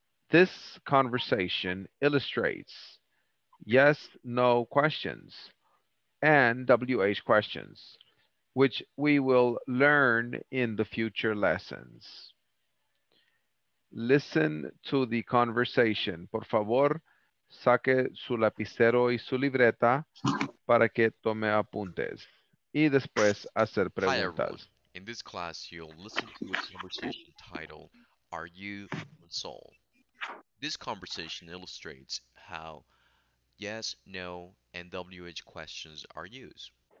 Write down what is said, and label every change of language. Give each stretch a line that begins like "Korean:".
English: This conversation illustrates yes, no questions and WH questions, which we will learn in the future lessons. Listen to the conversation.
Spanish: Por favor, saque su lapicero y su libreta para que tome apuntes y después hacer preguntas.
English: Hi everyone. In this class, you'll listen to a conversation titled, Are You From Seoul? This conversation illustrates how yes, no, and WH questions are used.